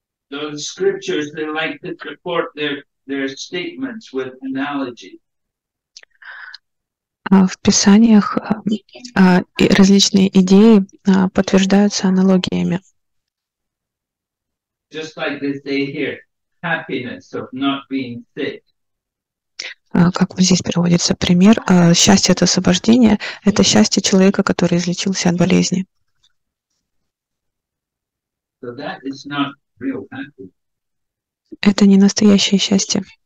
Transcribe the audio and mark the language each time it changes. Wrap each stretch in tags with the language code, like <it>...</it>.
<en>So the scriptures, they like to support their statements with analogy.</en> <ru>В писаниях различные идеи подтверждаются аналогиями.</ru> <en>Just like they say here, happiness of not being sick.</en> <ru>Как вот здесь приводится пример, счастье от освобождения – это счастье человека, который излечился от болезни.</ru> <en>So that is not real happiness.</en> <ru>Это не настоящее счастье.</ru>